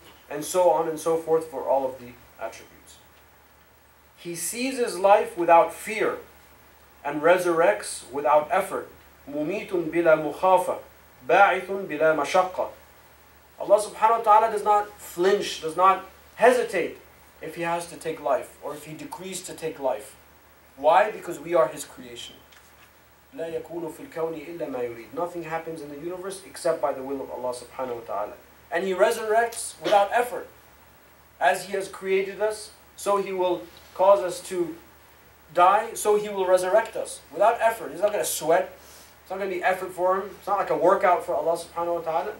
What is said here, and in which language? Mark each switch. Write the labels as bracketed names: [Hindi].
[English] And so on and so forth for all of the attributes. He seizes life without fear and resurrects without effort. [Arabic] Mumitun bila mukhafa, ba'ithun bila mashaqqa. [English] Allah subhanahu wa ta'ala does not flinch, does not hesitate if He has to take life or if He decrees to take life. Why? Because we are His creation. [Arabic] لا يكون في الكون إلا ما يريد. [English] Nothing happens in the universe except by the will of Allah subhanahu wa ta'ala. And He resurrects without effort. As He has created us, so He will cause us to die, so He will resurrect us without effort. He's not going to sweat. It's not going to be effort for Him. It's not like a workout for Allah subhanahu wa ta'ala.